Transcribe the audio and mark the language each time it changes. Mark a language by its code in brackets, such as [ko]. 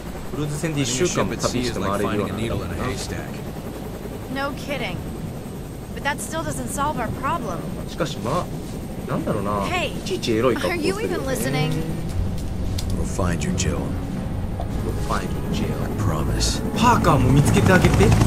[ja] クルーズ船で1週間も旅して回れるようなんだろうな。 [en] No kidding. But that still doesn't solve our problem. [ja] しかしまあ、なんだろうな。いちいちエロい格好するよね。 [en] Are you even listening? We'll find you, Jill. We'll find you, Jill. I promise. [ja] パーカーも見つけてあげて。